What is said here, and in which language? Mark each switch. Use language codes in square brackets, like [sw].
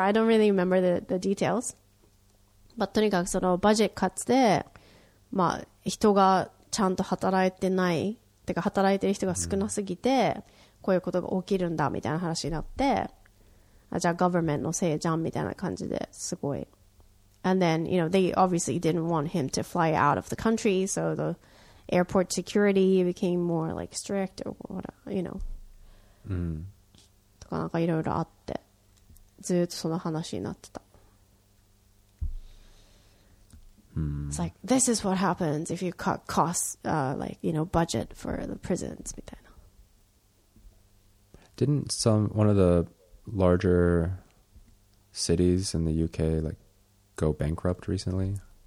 [en] I don't really remember the details, but [ja] とにかくそのバジェット cuts で、まあ人がちゃんと働いてない、てか働いてる人が少なすぎてこういうことが起きるんだみたいな話になって、じゃあ government のせいじゃんみたいな感じですごい [en] And then, you know, they obviously didn't want him to fly out of the country. So the airport security became more like strict or whatever, you know. [ja] とかなんかいろいろあって、ずっとその話になってた。 [en] It's like, this is what happens if you cut costs, like, you know, budget for the prisons, [ja] みたいな。 [en] Didn't some, one of the larger cities in the UK, like, go bankrupt recently?